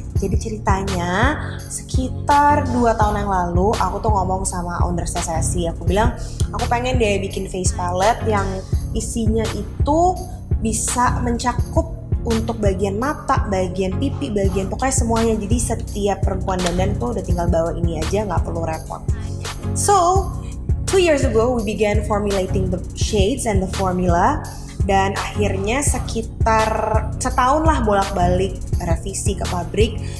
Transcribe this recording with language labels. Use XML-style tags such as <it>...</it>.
<id>Jadi ceritanya, sekitar 2 tahun yang lalu, aku tuh ngomong sama owner Sasi. Aku bilang, aku pengen deh bikin face palette yang isinya itu bisa mencakup untuk bagian mata, bagian pipi, bagian pokoknya semuanya. Jadi setiap perempuan dandan tuh udah tinggal bawa ini aja, gak perlu repot.</id> <en>So, 2 years ago we began formulating the shades and the formula.</en> <id>Dan akhirnya sekitar setahun lah bolak-balik revisi ke pabrik.</id>